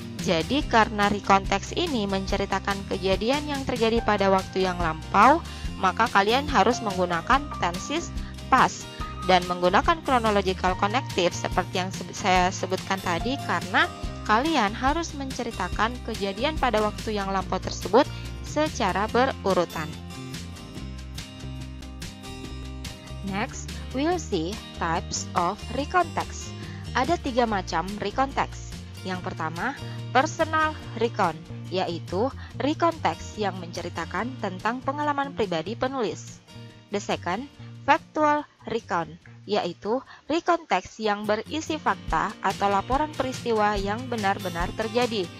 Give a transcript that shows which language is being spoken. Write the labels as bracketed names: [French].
[Indonesian] Jadi karena rekonteks ini menceritakan kejadian yang terjadi pada waktu yang lampau, maka kalian harus menggunakan tenses past dan menggunakan chronological connective seperti yang saya sebutkan tadi, karena kalian harus menceritakan kejadian pada waktu yang lampau tersebut secara berurutan. [English] Next, we'll see types of recontext. [Indonesian] Ada tiga macam recontext. Yang pertama, personal recon, yaitu recontext yang menceritakan tentang pengalaman pribadi penulis. [English] The second, [Indonesian] factual recon, yaitu recontext yang berisi fakta atau laporan peristiwa yang benar-benar terjadi.